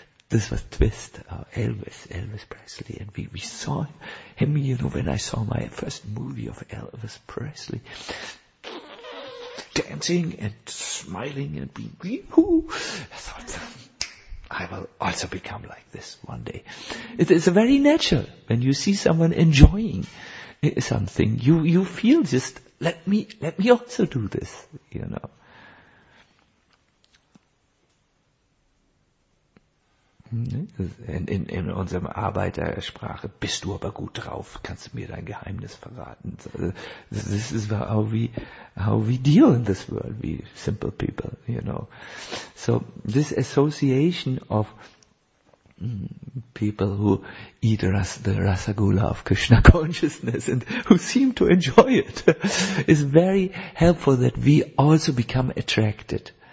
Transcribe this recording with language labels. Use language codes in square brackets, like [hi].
[en] this was Twist, Elvis Presley, and we saw him, you know, when I saw my first movie of Elvis Presley, dancing and smiling and being woo-hoo, I thought, I will also become like this one day. It's very natural when you see someone enjoying something, you feel just, let me also do this, you know. [de] In unserem Arbeitersprache, bist du aber gut drauf, kannst du mir dein Geheimnis verraten. [en] So, this is how we deal in this world, we simple people, you know. So this association of people who eat the rasagula of Krishna consciousness and who seem to enjoy it is very helpful that we also become attracted.